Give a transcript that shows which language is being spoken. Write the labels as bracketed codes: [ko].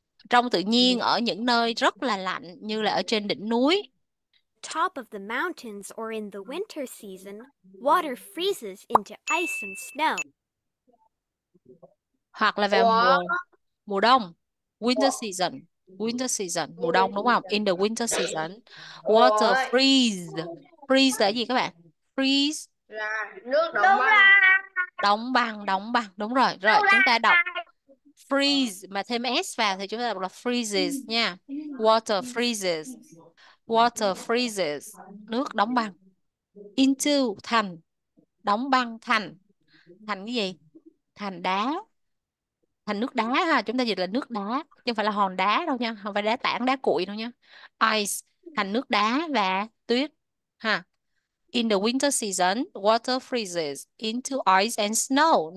[vi] trong tự nhiên, ở những nơi rất là lạnh, như là ở trên đỉnh núi. [en] Top of the mountains or in the winter season, water freezes into ice and snow. [vi] Hoặc là vào mùa mùa đông. [en] Winter season. Winter season, [vi] mùa đông đúng không? [en] In the winter season, water freeze. Freeze [vi] là gì các bạn? [en] Freeze [vi] là nước đóng băng. Đóng băng, đóng băng, đúng rồi. Rồi, chúng ta đọc freeze mà thêm s vào thì chúng ta đọc là freezes nha. [en] Water freezes. Water freezes, [vi] nước đóng băng. Into thành, đóng băng thành. Thành cái gì? Thành đá. Thành nước đá ha, chúng ta dịch là nước đá chứ không phải là hòn đá đâu nha, không phải đá tảng, đá cuội đâu nha. Ice, thành nước đá và tuyết ha. [en] In the winter season, water freezes into ice and snow.